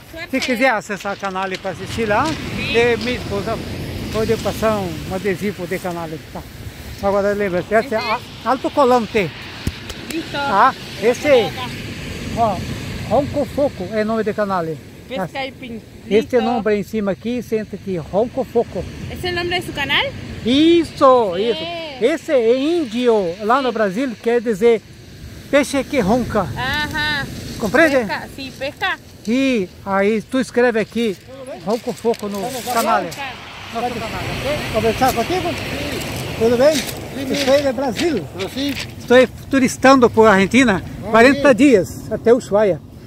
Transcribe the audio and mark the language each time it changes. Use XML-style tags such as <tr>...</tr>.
<pt>Se quiser acessar o canal para assistir lá, e minha esposa pode passar um adesivo de canal. Tá? Agora lembra-se, esse é Alto Colante. Isso. Tá? Esse é. Ó, Ronco Foco é o nome do canal.</pt> <es>pesca y pintito. Este nombre encima aquí, siente aquí, Ronco Foco. ¿Es el nombre de su canal?</es> <pt>Isso, sí. Isso.</pt> <es>Ese es indio, lá sí. No Brasil, quiere decir</es> <pt>peixe que ronca. Ajá.</pt> <es>¿Comprende? Sí, pesca. Y ahí tú escribe aquí, Ronco Foco, no canal. ¿Puedo conversar contigo? Sí. ¿Todo bien?</es> <pt>Isso aí é Brasil. Estou turistando por Argentina, 40 dias até Ushuaia.</pt>